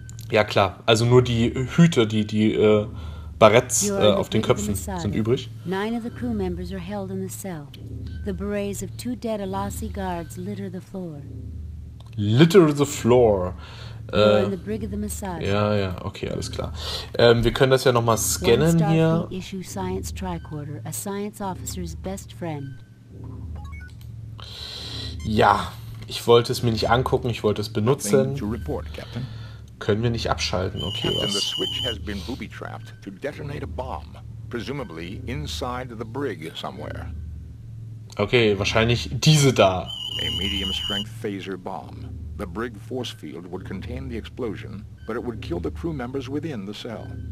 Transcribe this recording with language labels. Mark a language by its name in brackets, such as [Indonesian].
[German] Ja klar, also nur die Hüte, die Barretts auf den Köpfen sind übrig. [English] Nine of the crew members are held in the cell. The berets of two dead Alassi guards litter the floor. Litter the floor. In the brig of the Messiah. [German] Ja, ja, okay, alles klar. Wir können das ja nochmal scannen hier. [English] Issue science tricorder, a science officer's best friend. [German] Ja, ich wollte es mir nicht angucken, ich wollte es benutzen. Können wir nicht abschalten, okay, Captain, was? [English] The switch has been booby-trapped to detonate a bomb, presumably inside the brig somewhere. [German] Okay, wahrscheinlich diese da. [English] A medium-strength phaser bomb. The brig force field would contain the explosion, but it would kill the crew members within the cell.